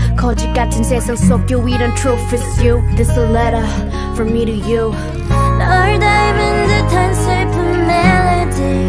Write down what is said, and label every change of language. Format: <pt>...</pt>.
<ko>거짓 같은 세상 속 유일한</ko> <en>truth is you. This a letter from me to you.</en> <ko>널 닮은 듯한 슬픈 멜로디.</ko>